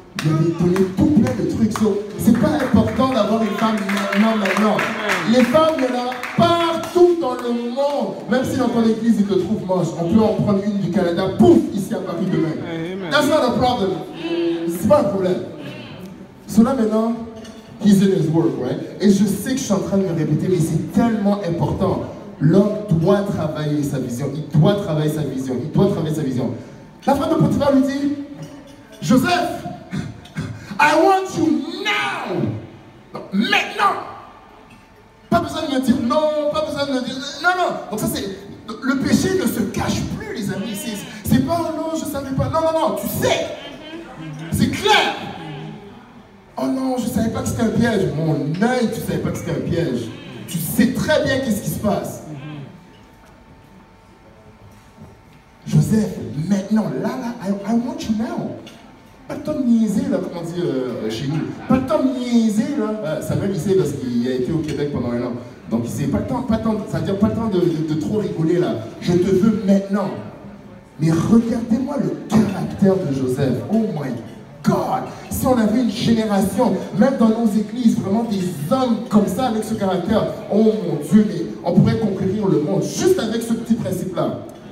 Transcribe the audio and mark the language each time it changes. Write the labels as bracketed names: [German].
[French] donné tout plein de trucs. So, c'est pas important d'avoir une femme, non, non, non. Les femmes, il y en a partout dans le monde. Même si dans ton église, ils te trouvent moche, on peut en prendre une du Canada, pouf, ici à Paris demain. [English] That's not a problem. [French] C'est pas un problème. Cela maintenant, [English] he's in his work, right? [French] Et je sais que je suis en train de me répéter, mais c'est tellement important. L'homme doit travailler sa vision. Il doit travailler sa vision. Il doit travailler sa vision. La femme de Potiphar lui dit, Joseph, [English] I want you now. [French] Non, maintenant. Pas besoin de me dire non, pas besoin de me dire non, non. Donc ça c'est, le péché ne se cache plus les amis ici. C'est pas oh non, je savais pas, non, non, non, tu sais. C'est clair. Oh non, je savais pas que c'était un piège. Mon œil, tu savais pas que c'était un piège. Tu sais très bien qu'est-ce qui se passe. Joseph, maintenant, là, [English] I want you now. [French] Pas le temps de niaiser, là, comme on dit chez nous. Pas le temps de niaiser, là. Samuel, il sait parce qu'il a été au Québec pendant un an. Donc, il sait pas le temps de trop rigoler, là. Je te veux maintenant. Mais regardez-moi le caractère de Joseph. [English] Oh my God! [French] Si on avait une génération, même dans nos églises, vraiment des hommes comme ça, avec ce caractère, oh mon Dieu, mais on pourrait conquérir le monde juste avec ce petit principe-là.